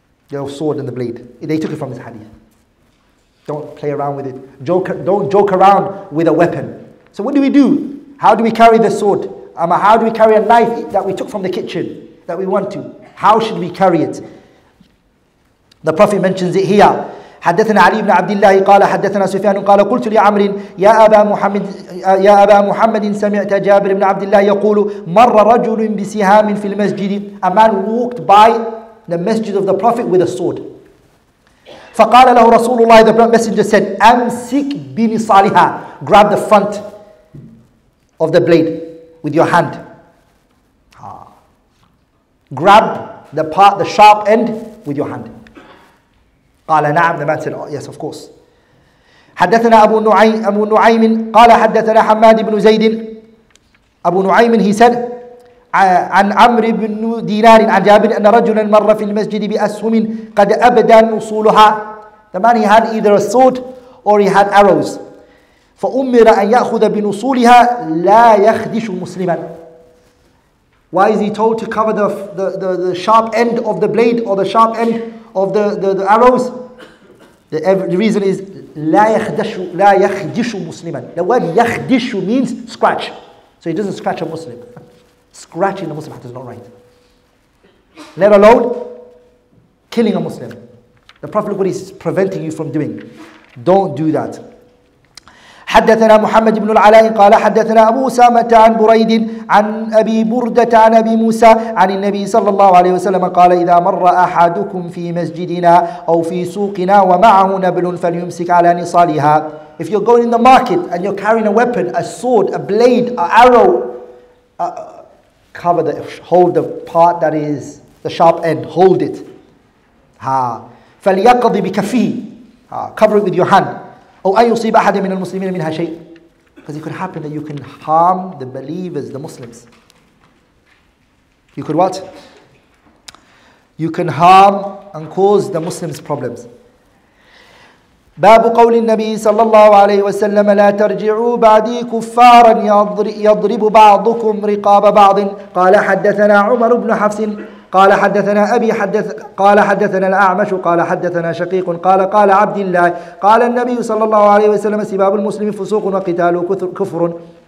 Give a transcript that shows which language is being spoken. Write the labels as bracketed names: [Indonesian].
[English] Your sword and the blade. They took it from this hadith. Don't play around with it. Don't joke around with a weapon. So what do we do? How do we carry the sword? How do we carry a knife that we took from the kitchen that we want to? How should we carry it? The Prophet mentions it here. [Arabic] حدثنا علي بن عبد الله قال حدثنا سفيان قال قلت لعمر يا أبا محمد سمعت جابر بن عبد الله يقول مر رجل بسهام في المسجد [English] A man walked by the masjid of the Prophet with a sword. [Arabic] فقال له رسول الله [English] The Messenger said [Arabic] أمسك بنصالها [English] Grab the front of the blade with your hand. Grab the part, the sharp end with your hand. [Arabic] قال نعم [English] the man said oh, yes of course [Arabic] حدثنا أبو نعيم قال حدثنا حماد بن زيد أبو نعيم [English] he said [Arabic] عن عمر بن دينار عن جابر أن رجلا مر في المسجد بأسهم قد أبدى نصولها. [English] The man, he had either a sword or he had arrows. [Arabic] فأمر أن يأخذ بنصولها لا يخدش مسلما. [English] Why is he told to cover the sharp end of the blade or the sharp end of the arrows? The reason is [Arabic] لا يخدش مسلما. [English] The word يخدش means scratch. So he doesn't scratch a Muslim. Scratching a Muslim is not right. Let alone killing a Muslim. The Prophet, look what he's preventing you from doing. Don't do that. [Arabic] حدثنا محمد بن العلاء قال حدثنا أبو أسامة عن بريد عن أبي بردة عن أبي موسى عن النبي صلى الله عليه وسلم قال إذا مر أحدكم في مسجدنا أو في سوقنا ومعه نبل فليمسك على نصالها. [English] If you're going in the market and you're carrying a weapon, a sword, a blade, an arrow, cover the, hold the part that is the sharp end, hold it. Ha. [Arabic] فليقضي بكفيه. [English] Ha. Cover it with your hand. [Arabic] أو أن يصيب أحد من المسلمين منها شيء. [English] Because it could happen that you can harm the believers, the Muslims. You could what? You can harm and cause the Muslims problems. [Arabic] باب قول النبي صلى الله عليه وسلم لا ترجعوا بعدي كفارا يضرب بعضكم رقاب بعض. قال حدثنا عمر بن حفص قال حدثنا أبي حدث قال حدثنا الأعمش قال حدثنا شقيق قال قال عبد الله قال النبي صلى الله عليه وسلم سباب المسلم فسوق وقتال كفر.